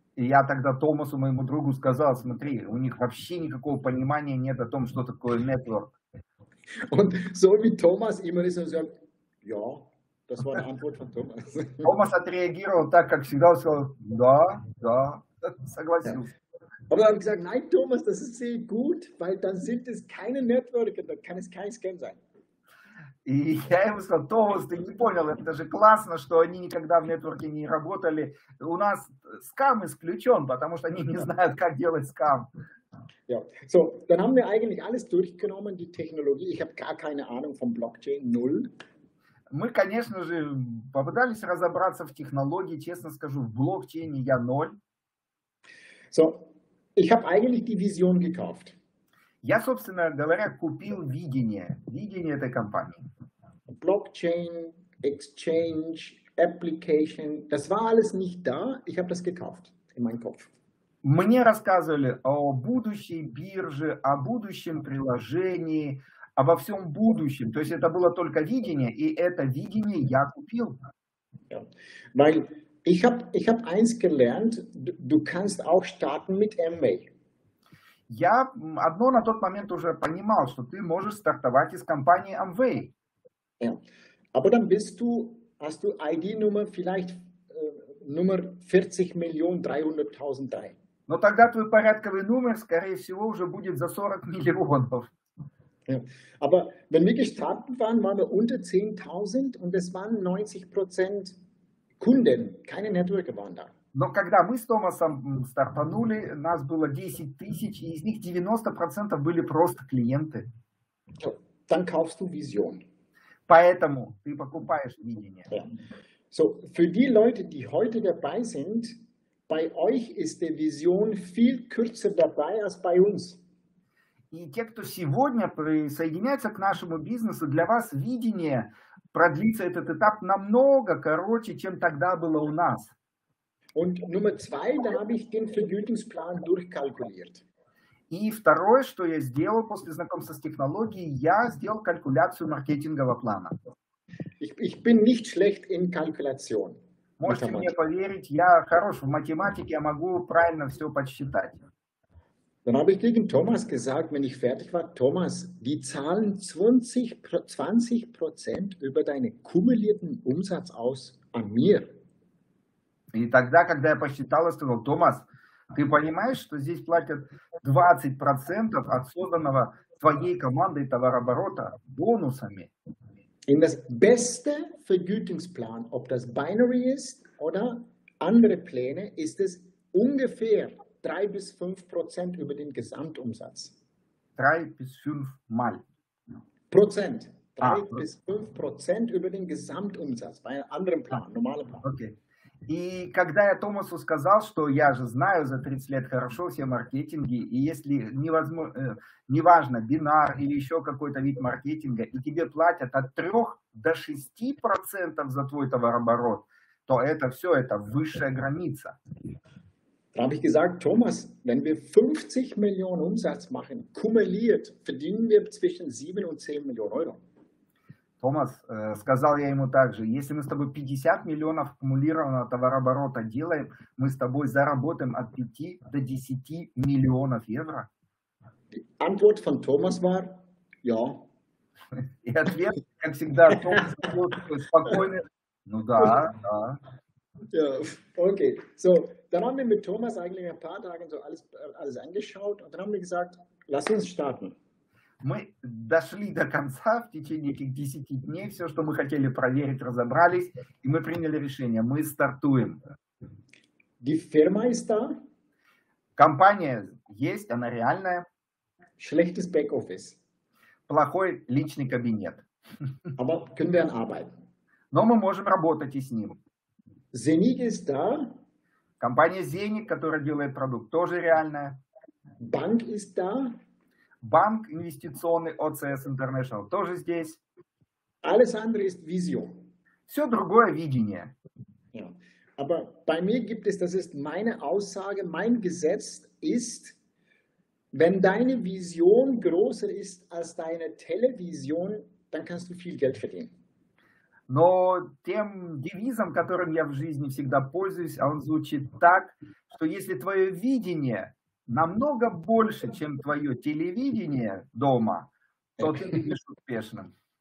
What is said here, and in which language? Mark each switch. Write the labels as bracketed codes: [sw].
[ru] И я тогда Томасу, моему другу, сказал, смотри, у них вообще никакого понимания нет о том, что такое нетворк. [de] Und so wie Thomas immer ist, er sagt, ja, das war die Antwort von Thomas. [ru] Thomas отреагировал так, как всегда, сказал, да, да, согласился. [en] Yeah. [de] Aber dann habe ich gesagt, nein, Thomas, das ist sehr gut, weil dann sind es keine Networker, dann kann es kein Scam sein. [ru] И я ему сказал, Томас, ты не понял, это же классно, что они никогда в нетворке не работали. У нас скам исключен, потому что они не знают, как делать скам. [de] Ja, so, dann haben wir eigentlich alles durchgenommen, die Technologie. Ich habe gar keine Ahnung von Blockchain, null. [ru] Мы, конечно же, попытались разобраться в технологии, честно скажу, в блокчейне я ноль. [de] So, ich habe eigentlich die Vision gekauft. [ru] Я, собственно говоря, купил видение, видение этой компании. [de] Blockchain, exchange, application, das war alles nicht da, ich habe das gekauft in meinem Kopf. [ru] Мне рассказывали о будущей бирже, о будущем приложении, обо всем будущем. То есть это было только видение, и это видение я купил. [de] Weil ich hab eins gelernt, du kannst auch starten mit Amway. [ru] Я одно на тот момент уже понимал, что ты можешь стартовать из компании Amway. [de] Aber dann bist du, hast du ID-Nummer vielleicht Nummer 40.300.003. [ru] Но тогда твой порядковый номер, скорее всего, уже будет за 40 миллионов. [de] Aber wenn wir gestartet waren, waren wir unter 10.000 und es waren 90% Kunden, keine Networker waren da. [ru] Но когда мы с Томасом стартанули, нас было 10 тысяч, и из них 90% были просто клиенты. [de] Dann kaufst du Vision. [ru] Поэтому ты покупаешь видение. [en] Yeah. [de] So, für die Leute, die heute dabei sind, bei euch ist die Vision viel kürzer dabei als bei uns. [ru] И те, кто сегодня присоединяется к нашему бизнесу, для вас видение продлится этот этап намного короче, чем тогда было у нас. [de] Und Nummer zwei, da habe ich den Vergütungsplan durchkalkuliert. [ru] И второе, что я сделал после знакомства с технологией, я сделал калькуляцию маркетингового плана. [de] Ich bin nicht schlecht in Kalkulation. [ru] Можете мне поверить, я хорош в математике, я могу правильно все подсчитать. [de] Dann habe ich gegen Thomas gesagt, wenn ich fertig war, Thomas, die zahlen 20% über deinen kumulierten Umsatz aus an mir. [ru] И тогда, когда я посчитал, я сказал, Томас, ты понимаешь, что здесь платят 20% от созданного твоей командой товарооборота бонусами? [de] In das beste Vergütungsplan, ob das binary ist oder andere Pläne, ist es ungefähr 3-5% über den Gesamtumsatz. 3-5 mal. Prozent. 3-5% über den Gesamtumsatz bei einem anderen Plan, normalen Plan. [en] Okay. [ru] И когда я Томасу сказал, что я же знаю за 30 лет хорошо все маркетинги, и если невозможно, неважно, бинар или еще какой-то вид маркетинга, и тебе платят от 3 до 6% за твой товарооборот, то это все, это высшая граница. [de] Da habe ich gesagt, Thomas, wenn wir 50 Millionen Umsatz machen, kumuliert, verdienen wir zwischen 7 und 10 Millionen Euro. [ru] Томас, сказал я ему также, если мы с тобой 50 миллионов аккумулированного товарооборота делаем, мы с тобой заработаем от 5 до 10 миллионов евро. Ответ от Томаса был, да. И ответ, как всегда, Томас был спокойный. Ну да, да. [de] Окей, so, dann haben wir mit Thomas eigentlich ein paar Tage so alles angeschaut und dann haben wir gesagt, lass uns starten. [ru] Мы дошли до конца в течение этих 10 дней, все, что мы хотели проверить, разобрались, и мы приняли решение, мы стартуем. [de] Die Firma ist da. [ru] Компания есть, она реальная. [de] Schlechtes Backoffice. [ru] Плохой личный кабинет. [de] Aber können wir arbeiten? [ru] Но мы можем работать и с ним. [de] Zenig ist da. [ru] Компания Zenig, которая делает продукт, тоже реальная. [de] Bank ist da. [ru] Банк инвестиционный OCS International тоже здесь. [de] Alles andere ist Vision. [ru] Все другое видение. [de] Aber bei mir gibt es, das ist meine Aussage, mein Gesetz ist, wenn deine Vision größer ist als deine Television, dann kannst du viel Geld verdienen. [ru] Но тем девизом, которым я в жизни всегда пользуюсь, он звучит так, что если твое видение намного больше, чем твое телевидение дома, то ты будешь успешным.